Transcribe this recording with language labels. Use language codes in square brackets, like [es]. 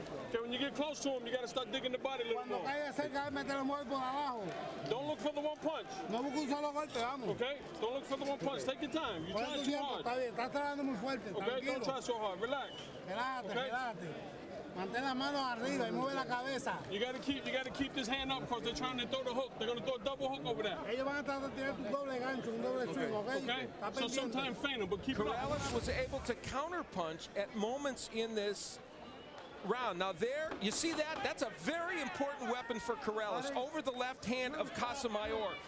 [en] Okay, when you get close to him, you got to start digging the body a little more. [es] Cuando caiga cerca, mete los muebles por abajo. [en] Don't look for the one punch. [es] No busque un solo golpe, vamos. [en] Okay, don't look for the one punch. Take your time. You're trying too hard. [es] Está bien, estás trabajando muy fuerte. [en] Okay, don't try so hard. Relax. [es] Relájate, relájate. Mantén las manos arriba y mueve la cabeza. [en] You gotta keep this hand up because they're trying to throw the hook. They're gonna throw a double hook over there. [es] Ellos van a tratar de tirar un doble gancho, un doble swing, okay? [en] Okay. So sometimes feint them, but keep Corrales it up. Corrales was able to counterpunch at moments in this round. Now there, you see that? That's a very important weapon for Corrales over the left hand of Casamayor.